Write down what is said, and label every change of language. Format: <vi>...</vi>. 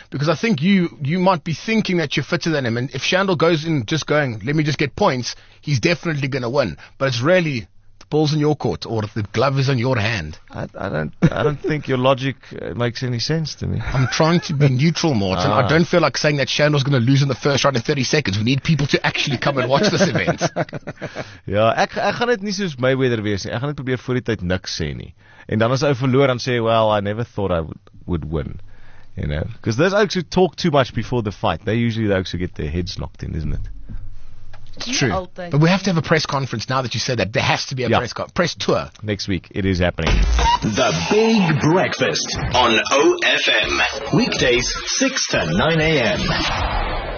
<en>Because I think you might be thinking that you're fitter than him. And if Shandor goes in just going, let me just get points, he's definitely going to win. But it's really... Ball's in your court, or the glove is on your hand. I don't think your logic makes any sense to me. I'm trying to be neutral, Morton. I don't feel like saying that Shandor's going to lose in the first round in 30 seconds. We need people to actually come and watch this event.</en> <af>Ja, ek gaan dit nie soos Mayweather wees nie. Ek gaan dit probeer voor die tyd niks sê nie. En dan as hy verloor, dan sê hy,</af> <en>well, I never thought I would win. You know, because those oaks who talk too much before the fight, they usually the oaks who get their heads knocked in, isn't it? It's true, but we have to have a press conference now that you said that. There has to be a press tour. Next week, it is happening. The Big Breakfast on OFM. Weekdays, 6 to 9 a.m.</en>